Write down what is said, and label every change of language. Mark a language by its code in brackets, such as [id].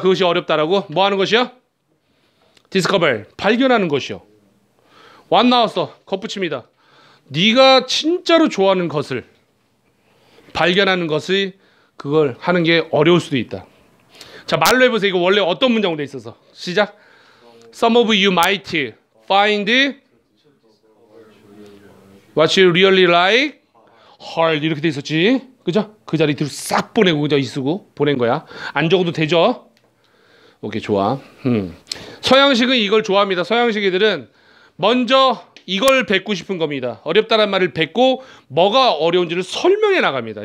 [ko] 그것이 어렵다라고. 뭐 하는 것이요? Discover. 발견하는 것이요. 완 나왔어. 겉붙입니다. 네가 진짜로 좋아하는 것을 발견하는 것이 그걸 하는 게 어려울 수도 있다. 자, 말로 해보세요. 이거 원래 어떤 문장으로 돼 있어서 시작. [en] Some of you might find what you really like hard. [ko] 이렇게 돼 있었지. 그죠? 그 자리 뒤로 싹 보내고 그냥 이쓰고 보낸 거야. 안 적어도 되죠? 오케이, 좋아. 서양식은 이걸 좋아합니다. 서양식 애들은 먼저 이걸 뱉고 싶은 겁니다. 어렵다란 말을 뱉고 뭐가 어려운지를 설명해 나갑니다.